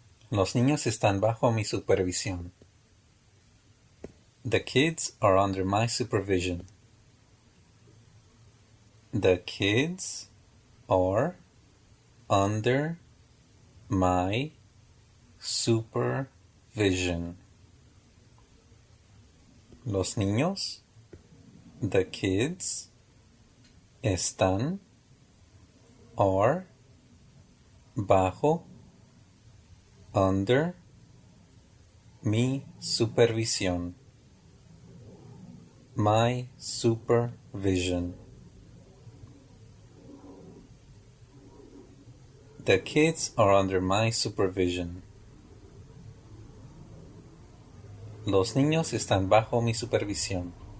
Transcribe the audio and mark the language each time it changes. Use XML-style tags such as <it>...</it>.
<es>Los niños están bajo mi supervisión.</es> <en>The kids are under my supervision. The kids are under my supervision.</en> <es>Los niños,</es> <en>the kids,</en> <es>están,</es> <en>are,</en> <es>bajo,</es> <en>under,</en> <es>mi supervisión,</es> <en>my supervision. The kids are under my supervision.</en> <es>Los niños están bajo mi supervisión.</es>